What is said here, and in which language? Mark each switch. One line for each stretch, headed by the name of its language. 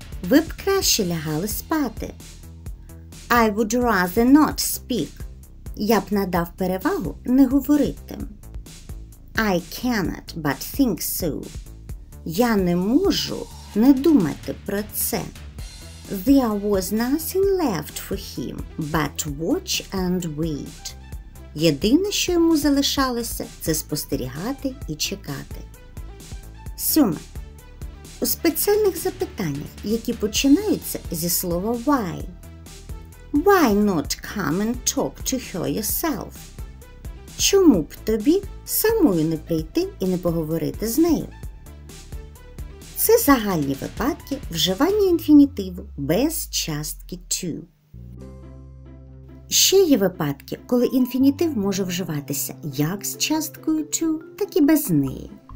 Ukrainian: Ви б краще лягали спати.
English: I would rather not speak.
Ukrainian: Я б надав перевагу не говорити.
English: I cannot but think so.
Ukrainian: Я не можу не думати про це.
English: There was nothing left for him but watch and wait.
Ukrainian: Єдине, що йому залишалося, це спостерігати і чекати. Сьоме. У спеціальних запитаннях, які починаються зі слова why.
English: Why not come and talk to her yourself?
Ukrainian: Чому б тобі самою не прийти і не поговорити з нею? Це загальні випадки вживання інфінітиву без частки to. Ще є випадки, коли інфінітив може вживатися як з часткою to, так і без неї.